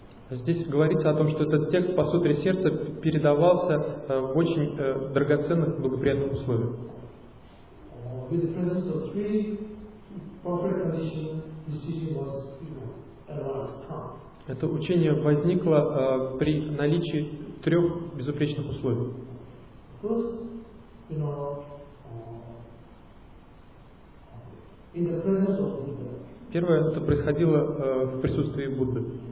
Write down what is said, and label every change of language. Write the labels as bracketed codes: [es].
[ru] Здесь говорится о том, что этот текст по сутре сердца передавался в очень драгоценных благоприятных условиях. [en] With the presence of three perfect conditions, this teaching was, advanced. [ru] Это учение возникло при наличии трех безупречных условий. [en] First, in the presence of Buddha. [ru] Первое, это происходило в присутствии Будды.